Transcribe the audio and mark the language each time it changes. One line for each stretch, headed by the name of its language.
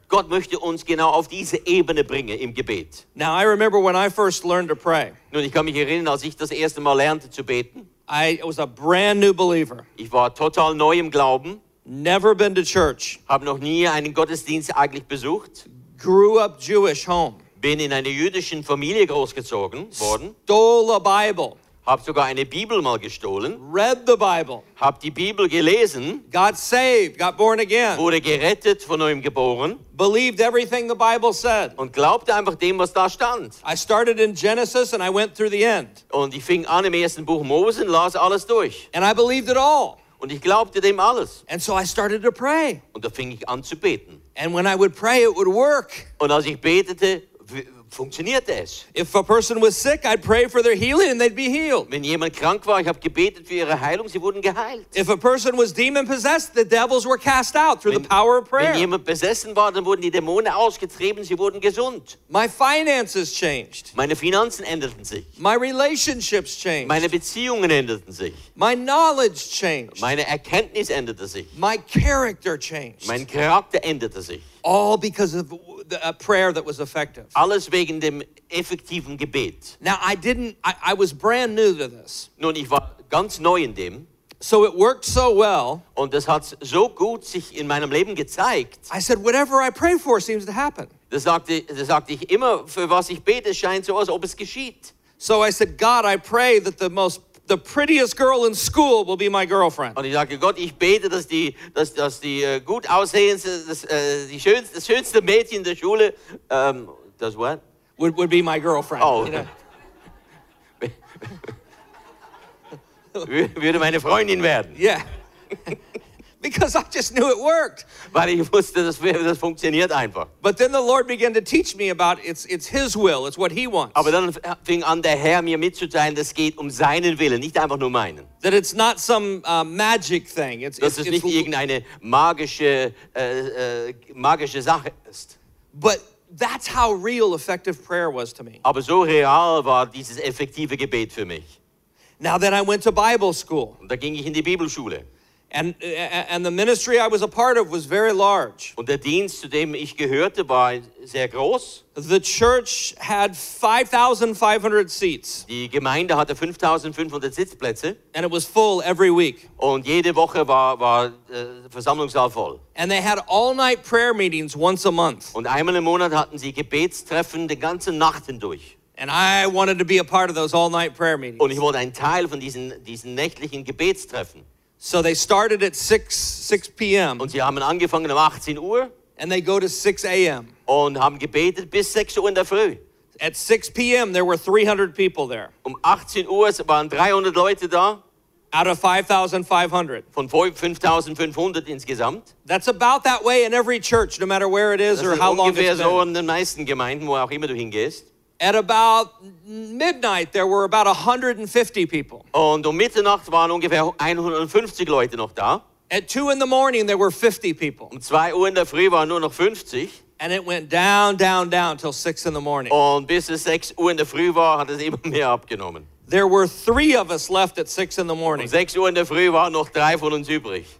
German: Gott möchte uns genau auf diese Ebene bringen im Gebet.
English: Now I remember when I first learned to pray.
German: Nun, ich kann mich erinnern, als ich das erste Mal lernte zu beten.
English: I was a brand new believer.
German: Ich war total neu im Glauben.
English: Never been to church.
German: Hab noch nie einen Gottesdienst eigentlich besucht.
English: Grew up Jewish home.
German: Bin in einer jüdischen Familie großgezogen worden.
English: Stole a Bible.
German: Hab sogar eine Bibel mal gestohlen.
English: Read the Bible.
German: Hab die Bibel gelesen.
English: Got saved, got born again.
German: Wurde gerettet, von neuem geboren.
English: Believed everything the Bible said.
German: Und glaubte einfach dem, was da stand.
English: I started in Genesis and I went through the end.
German: Und ich fing an im ersten Buch Mose und las alles durch.
English: And I believed it all.
German: Und ich glaubte dem alles.
English: And so I started to pray.
German: Und da fing ich an zu beten.
English: And when I would pray, it would work.
German: Und als ich betete, funktionierte es.
English: If a person was sick, I'd pray for their healing and they'd be healed.
German: Wenn jemand krank war, ich habe gebetet für ihre Heilung, sie wurden geheilt.
English: If a person was demon possessed, the devils were cast out through the power of prayer.
German: Wenn jemand besessen war, dann wurden die Dämonen ausgetrieben, sie wurden gesund.
English: My finances changed.
German: Meine Finanzen änderten sich.
English: My relationships changed.
German: Meine Beziehungen änderten sich.
English: My knowledge changed.
German: Meine Erkenntnis änderte sich.
English: My character changed.
German: Mein Charakter änderte sich.
English: All because of a prayer that was effective.
German: Alles wegen dem effektiven Gebet.
English: Now I was brand new to this.
German: Nun, ich war ganz neu in dem.
English: So it worked so well.
German: Und das hat so gut sich in meinem Leben gezeigt.
English: I said, whatever I pray for seems to happen.
German: Das sagte ich immer, für was ich bete, scheint so, als ob es geschieht.
English: So I said, God, I pray that the prettiest girl in school will be my girlfriend.
German: Und ich sagte, Gott, ich bete, dass die gut aussehendste, das schönste Mädchen der Schule, das
English: what? Would be my girlfriend. Oh. You know?
German: Würde meine Freundin werden.
English: Yeah. Because I just knew it worked.
German: Weil ich wusste, das funktioniert einfach.
English: But then the Lord began to teach me about it's His will, it's what He wants.
German: Aber dann fing an, der Herr mir mitzuteilen, das geht seinen Willen, nicht einfach nur meinen.
English: That it's not some magic thing.
German: Irgendeine magische Sache ist.
English: But that's how real effective prayer was to me.
German: Aber so real war dieses effektive Gebet für mich.
English: Now then I went to Bible school.
German: Da ging ich in die Bibelschule.
English: And the ministry I was a part of was very large.
German: Und der Dienst, zu dem ich gehörte, war sehr groß.
English: The church had 5,500 seats.
German: Die Gemeinde hatte 5,500 Sitzplätze.
English: And it was full every week.
German: Und jede Woche war Versammlungssaal voll.
English: And they had all-night prayer meetings once a month.
German: Und einmal im Monat hatten sie Gebetstreffen die ganze Nacht hindurch.
English: And I wanted to be a part of those all-night prayer meetings.
German: Und ich wollte ein Teil von diesen nächtlichen Gebetstreffen.
English: So they started at 6 p.m.
German: Und sie haben angefangen um 18 Uhr.
English: And they go to 6 a.m.
German: Und haben gebetet bis 6 Uhr in der Früh.
English: At 6 p.m. there were 300 people there.
German: Um 18 Uhr waren 300 Leute da.
English: Out of 5,500.
German: Von 5,500 insgesamt.
English: That's about that way in every church, no matter where it is or how long it's been.
German: Das ist ungefähr so in den meisten Gemeinden, wo auch immer du hingehst.
English: At about midnight, there were about 150 people.
German: Und Mitternacht waren ungefähr 150 Leute noch da.
English: At 2 in the morning, there were 50 people.
German: 2 Uhr in der Früh waren nur noch 50.
English: And it went down, down, down till 6 in the morning.
German: Und bis es 6 Uhr in der Früh war, hat es immer mehr abgenommen.
English: There were 3 of us left at 6 in the morning.
German: 6 Uhr in der Früh waren noch 3 von uns übrig.